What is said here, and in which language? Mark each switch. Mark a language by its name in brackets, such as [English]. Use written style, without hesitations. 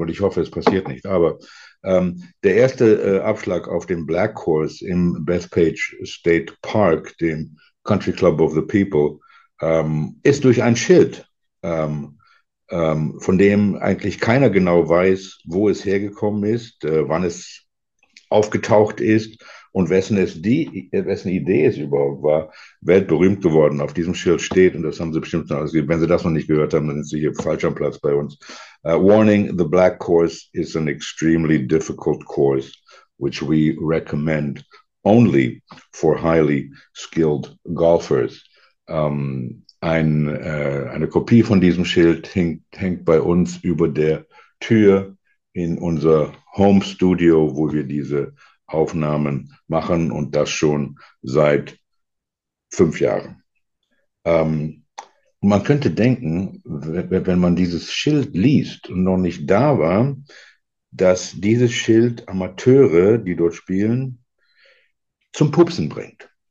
[German] Und ich hoffe, es passiert nicht. Aber der erste Abschlag auf dem Black Course im Bethpage State Park, dem Country Club of the People, ist durch ein Schild, von dem eigentlich keiner genau weiß, wo es hergekommen ist, wann es aufgetaucht ist und wessen Idee es überhaupt war, weltberühmt geworden. Auf diesem Schild steht, und das haben Sie bestimmt schon ausgegeben, wenn Sie das noch nicht gehört haben, dann sind Sie hier falsch am Platz bei uns. [English] Warning, the Black Course is an extremely difficult course, which we recommend only for highly skilled golfers. [German] Eine Kopie von diesem Schild hängt bei uns über der Tür in unser Home Studio, wo wir diese Aufnahmen machen, und das schon seit 5 Jahren. Man könnte denken, wenn man dieses Schild liest und noch nicht da war, dass dieses Schild Amateure, die dort spielen, zum Pupsen bringt.